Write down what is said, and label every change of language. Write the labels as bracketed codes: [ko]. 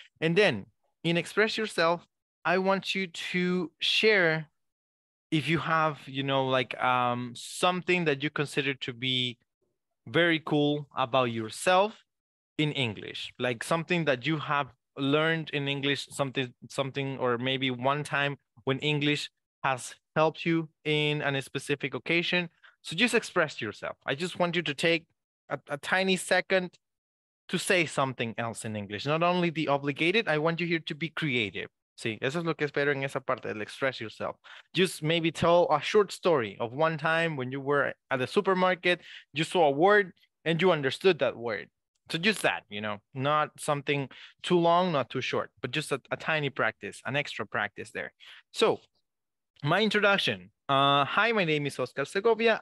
[en] And then in express yourself, I want you to share if you have, you know, like something that you consider to be very cool about yourself in English, like something that you have learned in English, something, or maybe one time when English has helped you in a specific occasion. So just express yourself. I just want you to take a tiny second to say something else in English, not only the obligated. I want you here to be creative. [es] Sí, eso es lo que espero en esa parte, el express yourself. [en] Just maybe tell a short story of one time when you were at the supermarket, you saw a word and you understood that word. So just that, you know, not something too long, not too short, but just a tiny practice, an extra practice there. So my introduction. Hi, my name is Oscar Segovia.